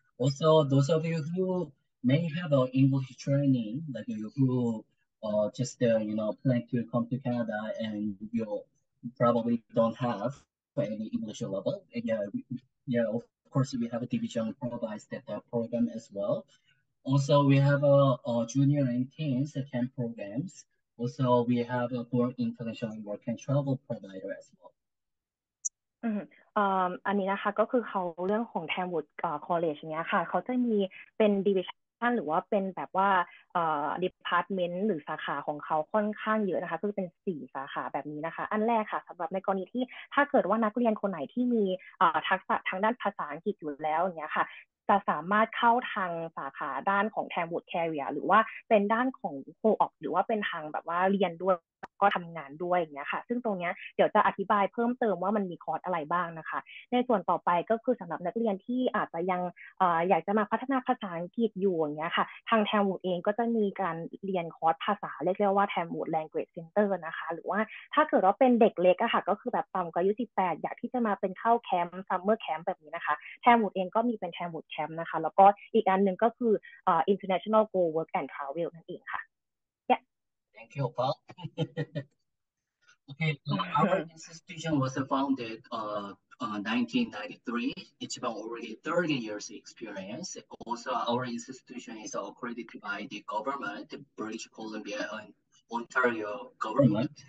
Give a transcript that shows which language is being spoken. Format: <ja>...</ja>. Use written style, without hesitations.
<en>Also, those of you who may have English training, like you who just plan to come to Canada and you probably don't have any English level. And yeah, of course we have a division provides that program as well. Also, we have a junior and teens camp programs. Also, we have a board international work and travel provider as well.</en> <th>อันนี้นะคะก็คือเขาเรื่องของ Tamwood College เนี้ยค่ะเขาจะมีเป็น division หรือว่าเป็นแบบว่า department หรือสาขาของเขาค่อนข้างเยอะนะคะคือเป็น4สาขาแบบนี้นะคะอันแรกค่ะสำหรับในกรณีที่ถ้าเกิดว่านักเรียนคนไหนที่มี ทักษะทางด้านภาษาอังกฤษอยู่แล้วเนี้ยค่ะจะสามารถเข้าทางสาขาด้านของ Tamwood Career หรือว่าเป็นด้านของ Co-op หรือว่าเป็นทางแบบว่าเรียนด้วยก็ทำงานด้วยอย่างเงี้ยค่ะซึ่งตรงนี้เดี๋ยวจะอธิบายเพิ่มเติมว่ามันมีคอร์สอะไรบ้างนะคะในส่วนต่อไปก็คือสำหรับนักเรียนที่อาจจะยัง อยากจะมาพัฒนาภาษาอังกฤษอยู่อย่างเงี้ยค่ะทาง Tamwood เองก็จะมีการเรียนคอร์สภาษาเรียกว่า Tamwood Language Center นะคะหรือว่าถ้าเกิดว่าเป็นเด็กเล็กอะค่ะก็คือแบบต่ำกว่าอายุ18อยากที่จะมาเป็นเข้าแคมป์ Summer Camp แบบนี้นะคะ Tamwood เองก็มีเป็น Tamwood Camp นะคะแล้วก็อีกอันนึงก็คือInternational Go Work and Travel นั่นเองค่ะ</th> <en>Thank you, Paul. Okay, our institution was founded 1993. It's about already 30 years experience. Also, our institution is accredited by the government, the British Columbia and Ontario government.</en>